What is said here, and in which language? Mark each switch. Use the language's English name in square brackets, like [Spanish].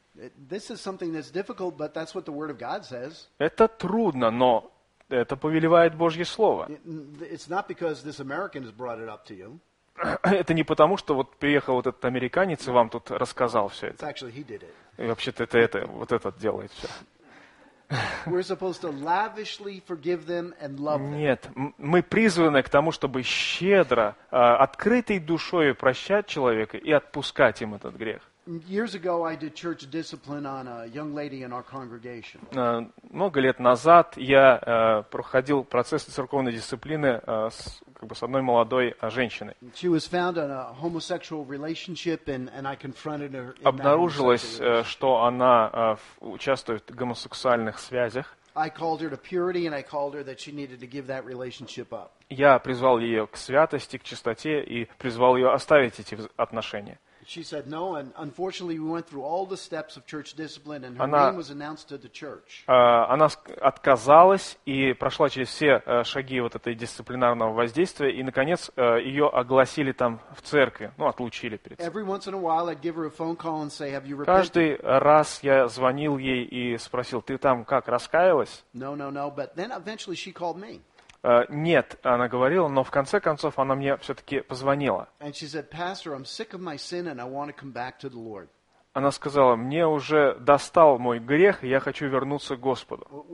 [Russian] Это трудно, но это повелевает Божье Слово. Это не потому, что вот приехал вот этот американец и вам тут рассказал все это. [English] Actually, he did it. [Russian] И вообще-то это вот этот делает все. [English] We're supposed to lavishly forgive them and love them. [Russian] Нет, мы призваны к тому, чтобы щедро, открытой душой прощать человека и отпускать им этот грех. [English] Years ago, I did church discipline on a young lady in our congregation. [Russian] Много лет назад я проходил процесс церковной дисциплины с как бы с одной молодой женщиной. [English] She was found in a homosexual relationship, and I confronted her. [Russian] Обнаружилось, что она участвует в гомосексуальных связях. [English] I called her to purity, and I called her that she needed to give that relationship up. [Russian] Я призвал ее к святости, к чистоте, и призвал ее оставить эти отношения. [English] She said no, and unfortunately, we went through all the steps of church discipline, and her name was announced to the church. [Russian] Она отказалась и прошла через все шаги вот этой дисциплинарного воздействия, и наконец ее огласили там в церкви, ну отлучили перед. [English] Every once in a while, I'd give her a phone call and say, "Have you repented?" [Russian] Каждый раз я звонил ей и спросил, ты там как раскаялась? [English] No. But then eventually she called me. [Russian] Нет, она говорила, но в конце концов она мне все-таки позвонила. [English] Said, [Russian] она сказала, мне уже достал мой грех, я хочу вернуться к Господу.